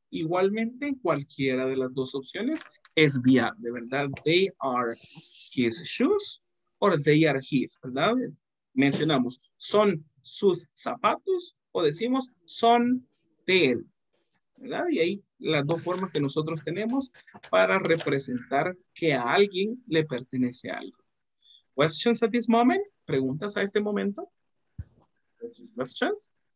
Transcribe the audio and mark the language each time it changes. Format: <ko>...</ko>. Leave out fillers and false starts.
<es>Igualmente, cualquiera de las dos opciones es viable, de verdad.</es> <en>They are his shoes or they are his, ¿verdad?</en> <es>Mencionamos, son sus zapatos o decimos, son de él, ¿verdad? Y ahí las dos formas que nosotros tenemos para representar que a alguien le pertenece algo.</es> <en>Questions at this moment?</en> <es>¿Preguntas a este momento?</es> <en>Questions?</en>